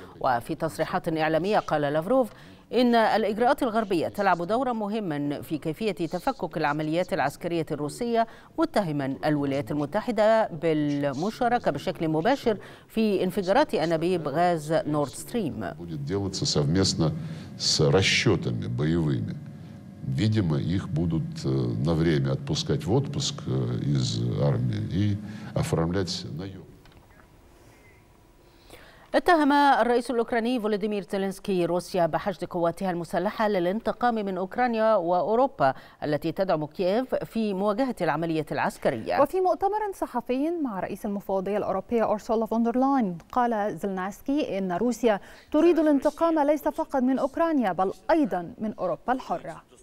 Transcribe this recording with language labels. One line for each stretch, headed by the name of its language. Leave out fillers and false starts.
Arabic: وفي تصريحات إعلامية قال لافروف إن الإجراءات الغربية تلعب دورا مهما في كيفية تفكك العمليات العسكرية الروسية، متهما الولايات المتحدة بالمشاركة بشكل مباشر في انفجارات أنابيب غاز نورد ستريم.
Russian: Видимо, их будут на время отпускать в отпуск из армии и оформлять на юг.
Arabic: اتهم الرئيس الأوكراني فولوديمير زيلينسكي روسيا بحشد قواتها المسلحة للانتقام من أوكرانيا وأوروبا التي تدعم كييف في مواجهة العملية العسكرية. وفي مؤتمر صحفي مع رئيس المفوضية الأوروبية أورسولا فون دير لاين قال زيلينسكي إن روسيا تريد الانتقام ليس فقط من أوكرانيا بل أيضا من أوروبا الحرة.